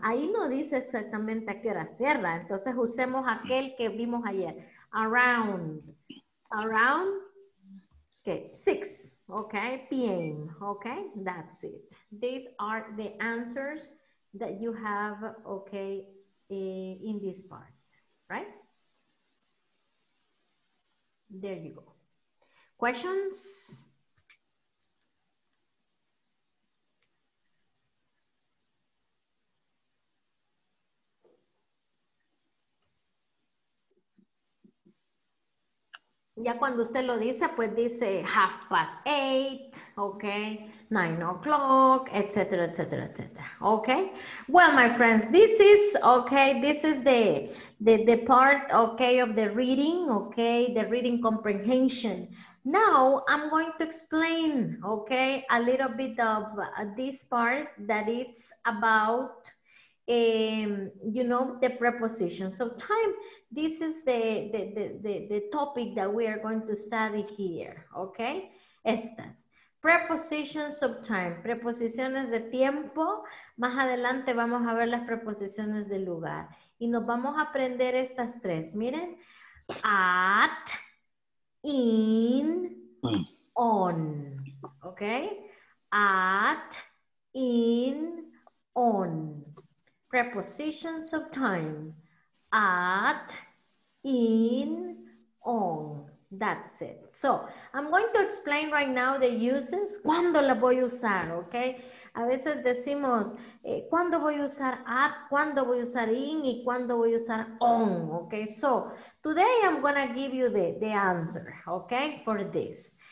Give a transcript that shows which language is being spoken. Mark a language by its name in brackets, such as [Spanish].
[Spanish] Ahí no dice exactamente a qué hora cierra. Entonces usemos aquel que vimos ayer. [English] Around, okay, 6, okay, p.m., okay, that's it. These are the answers that you have, okay, in this part, right? There you go. Questions? [Spanish] Ya cuando usted lo dice, pues dice 8:30, ok, 9 o'clock, etcétera, etcétera, etcétera, ok. [English] Well, my friends, this is, ok, this is the part, ok, of the reading, ok, the reading comprehension. Now, I'm going to explain, ok, a little bit of this part that it's about, you know, the prepositions of time. This is the topic that we are going to study here, okay? [Spanish] Estas, [English] prepositions of time, [Spanish] preposiciones de tiempo. Más adelante vamos a ver las preposiciones de lugar. Y nos vamos a aprender estas tres, miren. At, in, on, okay? [English] At, in, on. Prepositions of time, at, in, on, that's it. So, I'm going to explain right now the uses, [Spanish] cuando la voy a usar, [English] ok? [Spanish] A veces decimos, cuando voy a usar at, cuando voy a usar in, y cuando voy a usar on, ok? [English] So, today I'm gonna give you the answer, ok, for this.